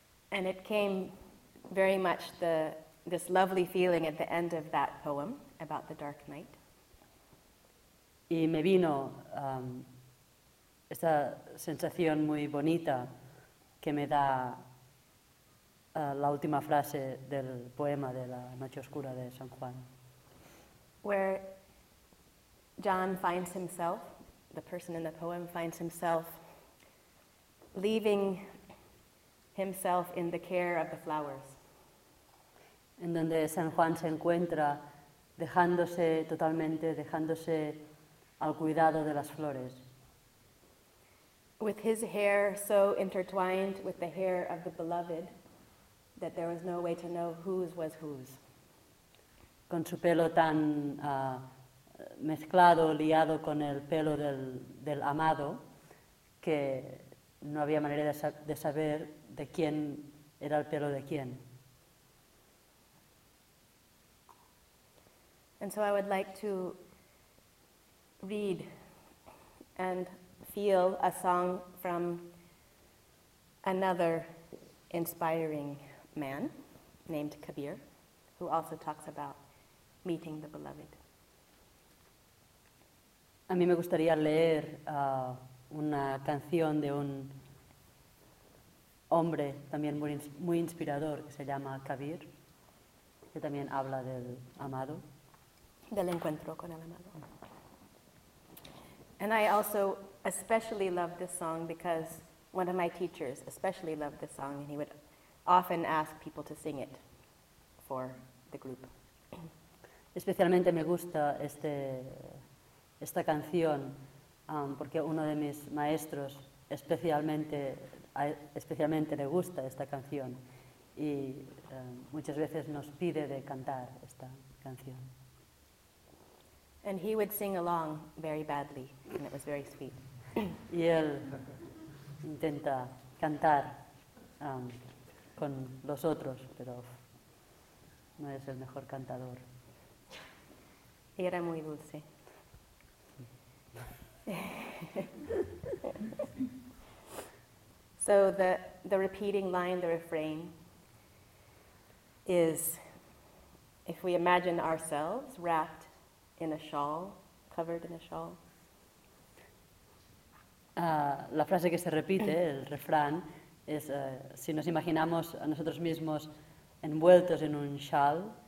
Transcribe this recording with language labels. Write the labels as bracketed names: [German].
[English] And it came very much this lovely feeling at the end of that poem about the dark night. [Spanish] Y me vino esta sensación muy bonita que me da la última frase del poema de la noche oscura de San Juan. [English] Where John finds himself, the person in the poem finds himself leaving himself in the care of the flowers. [Spanish] En donde San Juan se encuentra dejándose totalmente, dejándose al cuidado de las flores. [English] With his hair so intertwined with the hair of the beloved that there was no way to know whose was whose. [Spanish] Con su pelo tan mezclado, liado con el pelo del amado, que no había manera de saber de quién era el pelo de quién. [English] And so I would like to read and feel a song from another inspiring man named Kabir, who also talks about meeting the beloved. [Spanish] A mí me gustaría leer una canción de un hombre también muy inspirador que se llama Kabir, que también habla del amado. Del encuentro con el amado. [English] And I also especially love this song because one of my teachers especially loved this song and he would often ask people to sing it for the group. [Spanish] Especialmente me gusta esta canción porque uno de mis maestros especialmente le gusta esta canción y muchas veces nos pide de cantar esta canción. [English] And he would sing along very badly, and it was very sweet. [Spanish] Y él intenta cantar con los otros, pero no es el mejor cantador. Y era muy dulce. [English] So the repeating line, the refrain, is if we imagine ourselves wrapped in a shawl, covered in a shawl. [Spanish] La frase que se repite, el refrán, es si nos imaginamos a nosotros mismos envueltos en un shawl.